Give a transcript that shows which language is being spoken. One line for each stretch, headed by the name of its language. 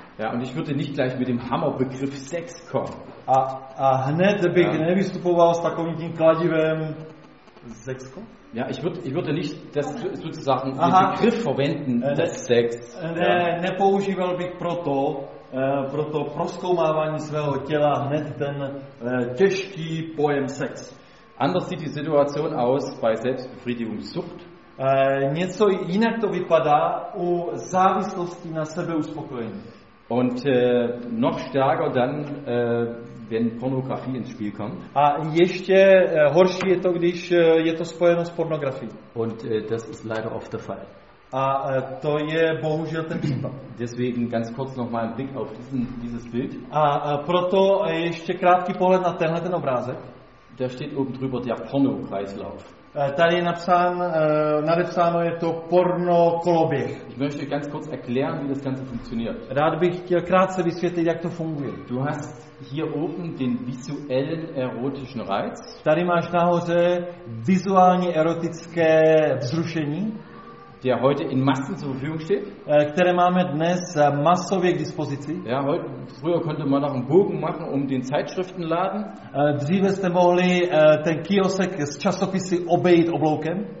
German: Ja, und ich würde nicht gleich mit dem Hammerbegriff Sex kommen.
Czech: A hned bych nevystupoval s takovým tím kladivem Sexko?
German: Ja, ich würde nicht das sozusagen den Begriff verwenden, das Sex.
Czech: Nepoužíval bych proto prozkoumávání svého těla hned ten těžký pojem sex.
German: Anders sieht die Situation aus bei Selbstbefriedigungssucht.
Czech: Něco jinak to vypadá u závislosti na sebeuspokojení.
German: Und noch stärker dann, wenn Pornografie ins Spiel kommt.
Czech: A ještě horší je to, když je to spojeno s pornografií.
German: Und das ist leider oft der Fall.
Czech: A to je bohužel ten případ.
German: Deswegen ganz kurz noch mal ein Blick auf dieses Bild.
Czech: A proto ještě krátký pohled na tenhle ten obrázek.
German: Da steht oben drüber der Pornokreislauf.
Czech: Tady je napsáno je to porno koloběh.
German: Ich möchte ganz kurz erklären, wie das Ganze funktioniert.
Czech: Rád bych chtěl krátce vysvětlit, jak to funguje.
German: Du hast hier oben den visuellen erotischen Reiz.
Czech: Tady máš nahoře vizuálně erotické vzrušení.
German: der heute in Massen zur Verfügung steht.
Czech: Které máme dnes masově k dispozici.
German: Ja, heute, früher konnte man noch einen Bogen machen, um den Zeitschriftenladen.
Czech: Dříve jste mohli ten kiosek s časopisy obejít obloukem.